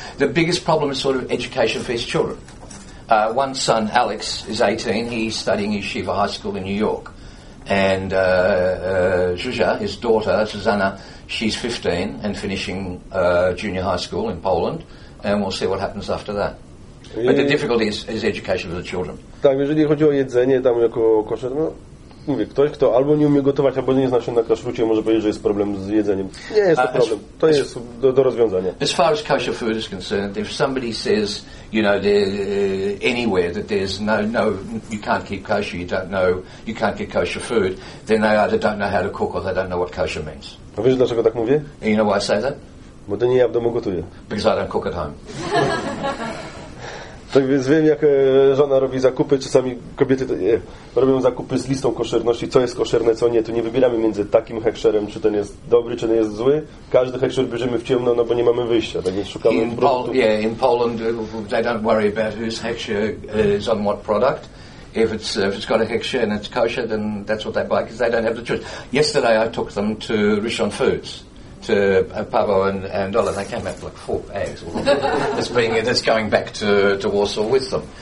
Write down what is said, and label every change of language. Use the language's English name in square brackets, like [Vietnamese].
[English] The biggest problem is sort of education for his children. One son, Alex, is 18. He's studying Yeshiva High School in New York. And Zuzia, his daughter, Susanna, she's 15 and finishing junior high school in Poland. And we'll see what happens after that. But the difficulty is education for the children. [Polish] Tak, jeżeli chodzi o jedzenie tam jako koszer, no, mówię, ktoś, kto albo nie umie gotować, albo nie zna się na kaszrucie, może powiedzieć, że jest problem z jedzeniem. Nie jest to problem. To jest do rozwiązania. [English] As far as kosher food is concerned, if somebody says, you know, anywhere that there's no, you can't keep kosher, you don't know, you can't get kosher food, then they either don't know how to cook or they don't know what kosher means. [Polish] A wiesz, dlaczego tak mówię? [English] And you know why I say that? [Polish] Bo to nie ja w domu gotuję. [English] Because I don't cook at home. [Polish] Tak więc wiem, jak żona robi zakupy, czasami kobiety robią zakupy z listą koszerności, co jest koszerne, co nie. Tu nie wybieramy między takim hekszerem, czy ten jest dobry, czy ten jest zły. Każdy hekszer bierzemy w ciemno, no bo nie mamy wyjścia. Tak więc szukamy produktu. [English] In Poland they don't worry about whose hekszer is on what product. If it's got a hekszer and it's kosher, then that's what they buy, because they don't have the choice. Yesterday I took them to Rishon Foods, to Pavo and Ola. They came out like four bags. That's going back to Warsaw with them.